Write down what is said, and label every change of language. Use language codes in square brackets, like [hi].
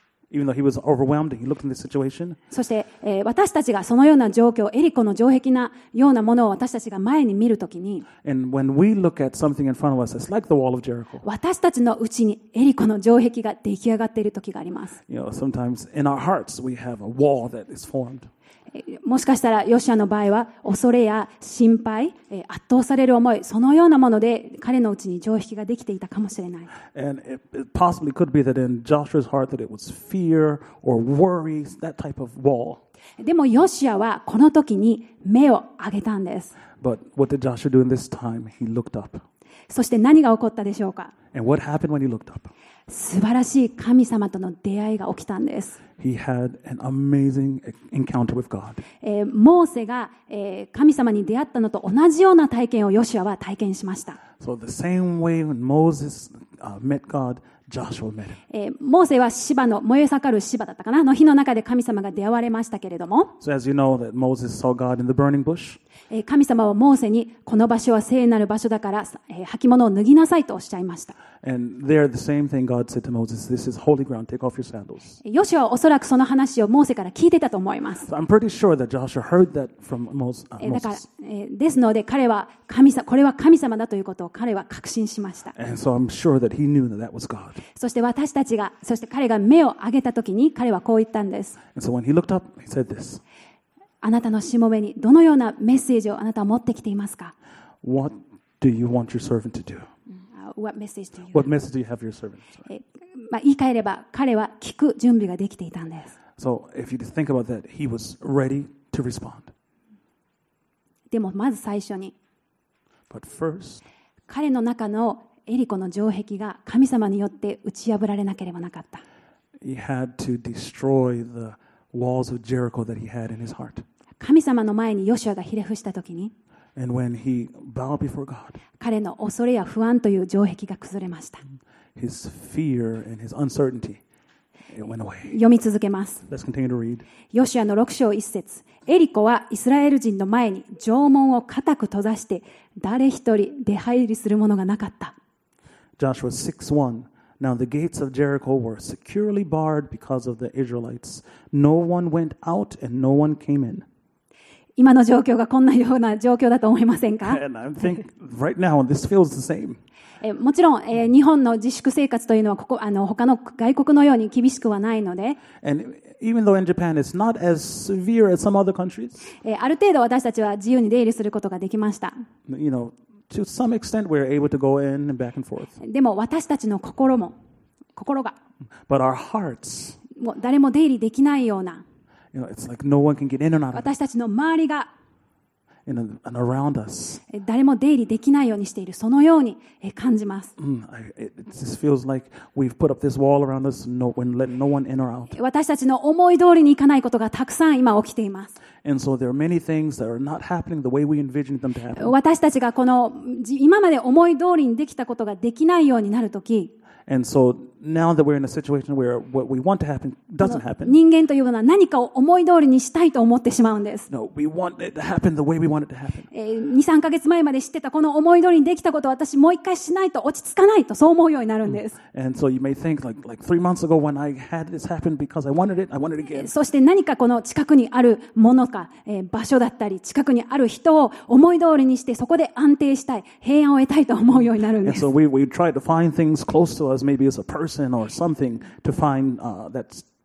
[en] Even though he was overwhelmed, he looked in this situation. [ja] そして、私たちがそのような状況、エリコの城壁なようなものを私たちが前に見るときに、 [en] And when we look at something in front of us, it's like the wall of Jericho. [ja] 私たちのうちにエリコの城壁が出来上がっているときがあります。 [en] You know, sometimes in our hearts we have a wall that is formed. [ja] もしかしたらヨシアの場合は恐れや心配、圧倒される思い、そのようなもので彼のうちに城壁ができていたかもしれない。 [en] And it possibly could be that in Joshua's heart that it was fear or worry, that type of wall. [ja] でもヨシアはこの時に目を上げたんです。 [en] But what did Joshua do in this time? He looked up. [ja] そして何が起こったでしょうか? [en] And what happened when he looked up? [ja] 素晴らしい神様との出会いが起きたんです。 [en] He had an amazing encounter with God. [ja] モーセが、神様に出会ったのと同じような体験をヨシュアは体験しました。 [en] So the same way when Moses, met God, Joshua met him. [ja] モーセは芝の燃え盛る芝だったかな、の火の中で神様が出会われましたけれども。 [en] So as you know that Moses saw God in the burning bush. [ja] 神様はモーセにこの場所は聖なる場所だから、履物を脱ぎなさいとおっしゃいました。 [en] And there the same thing God said to Moses, this is holy ground, take off your sandals. [ja] ヨシュアはおそらくその話をモーセから聞いてたと思います。 [en] So、I'm pretty sure that Joshua heard that from Moses. [ja] だから、ですので彼は神様、これは神様だということを彼は確信しました。 [en] And so I'm sure that he knew that that was God. [ja] そして私たちが、そして彼が目を上げた時に彼はこう言ったんです。 [en] And so when he looked up, he said this. [ja] あなたのしもべにどのようなメッセージをあなたは持ってきていますか? [en] What do you want your servant to do? What message do you have your servant? [ja] まあ言い換えれば彼は聞く準備ができていたんです。 [en] So if you think about that, he was ready to respond. [ja] でもまず最初に、 [en] But first, [ja] 彼の中のエリコの城壁が神様によって打ち破られなければなかった。 [en] He had to destroy the walls of Jericho that he had in his heart. [ja] 神様の前にヨシュアがひれ伏したときに。 [en] And when he bowed before God, [ja] 彼の恐れや不安という城壁が崩れました。 [en] His fear and his uncertainty, it went away. [ja] 読み続けます。 [en] Let's continue to read. [ja] ヨシュアの6章1節。エリコはイスラエル人の前に城門を固く閉ざして、誰一人出入りする者がなかった。 [en] Joshua 6:1. Now the gates of Jericho were securely barred because of the Israelites. No one went out and no one came in. [ja] 今の状況がこんなような状況だと思いませんか? [en] Right now, this feels the same. [ja] もちろん、日本の自粛生活というのはここ、他の外国のように厳しくはないので。 [en] And even though in Japan it's not as severe as some other countries. [ja] ある程度私たちは自由に出入りすることができました。 [en] You know, to some extent we're able to go in and back and forth. [ja] でも私たちの心が。 [en] But our hearts. [ja] もう誰も出入りできないような。 [en] You know, it's like no one can get in and out. [ja] 私たちの周りが、 [en] and around us. [ja] 誰も出入りできないようにしている、そのように感じます。 [en] It just feels like we've put up this wall around us, no one let no one in or out. [ja] 私たちの思い通りにいかないことがたくさん今起きています。 [en] And so there are many things that are not happening the way we envisioned them to happen. [ja] 私たちがこの今まで思い通りにできたことができないようになるとき、 [en] And so now that we're in a situation where what we want to happen doesn't happen. [ja] 人間というのは何かを思い通りにしたいと思ってしまうんです。 [en] No, we want it to happen the way we want it to happen. [ja] 2、3 ヶ月前まで知ってたこの思い通りにできたことを私もう一回しないと落ち着かないとそう思うようになるんです。 [en] And so you may think like 3 months ago when I had this happen because I wanted it, I want it again. [ja] そして何かこの近くにあるものか、場所だったり近くにある人を思い通りにしてそこで安定したい、平安を得たいと思うようになるんです。 [en] And so we try to find things close to us, maybe as a personor something to find that's